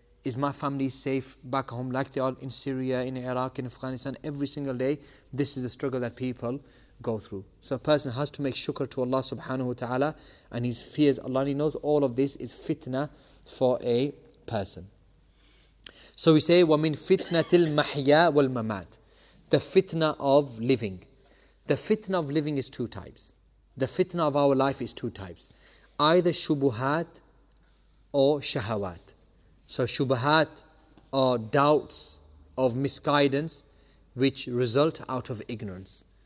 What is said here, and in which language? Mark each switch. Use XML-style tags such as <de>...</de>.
<en>Is my family safe back home like they are in Syria, in Iraq, in Afghanistan? Every single day, this is the struggle that people go through. So a person has to make shukr to Allah subhanahu wa ta'ala, and he fears Allah, and he knows all of this is fitna for a person.</en> <ar>So we say, وَمِن فِتْنَةِ الْمَحْيَا وَالْمَمَاتِ.</ar> <en>The fitna of living. The fitna of living is two types. The fitna of our life is two types. Either shubuhat or shahawat. So shubuhat are doubts of misguidance which result out of ignorance.</en>